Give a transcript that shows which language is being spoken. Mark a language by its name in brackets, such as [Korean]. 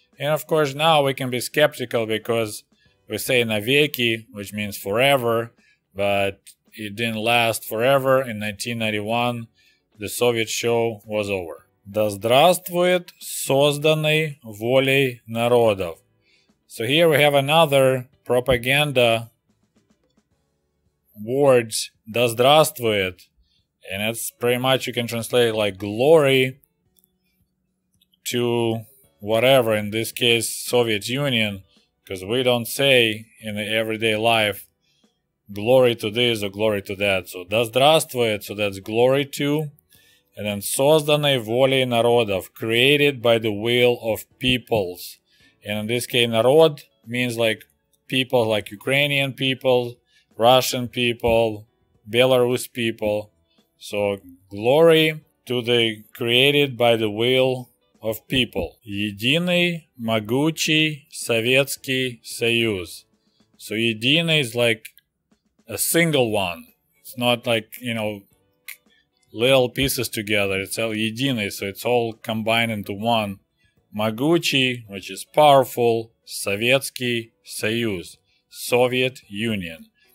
[English] And of course, now we can be skeptical because we say [Russian] навеки, [English] which means forever, but it didn't last forever. In 1991, the Soviet show was over. [Russian] Да здравствует созданный волей народов. [English] So here we have another propaganda words, [Russian] да здравствует, [English] and it's pretty much, you can translate it like glory to whatever, in this case Soviet Union, because we don't say in the everyday life glory to this or glory to that. So [Russian] да здравствует, [English] so that's glory to. And then [Russian] созданной волей народов, [English] created by the will of peoples. And in this case, народ means like people, like Ukrainian people, Russian people, Belarus people. So glory to the created by the will of people. [Russian] Единый могучий Советский Союз. [English] So единый is like a single one. It's not like, you know, little pieces together. It's all единый, so it's all combined into one. Могучий, which is powerful, Советский Союз, Soviet Union.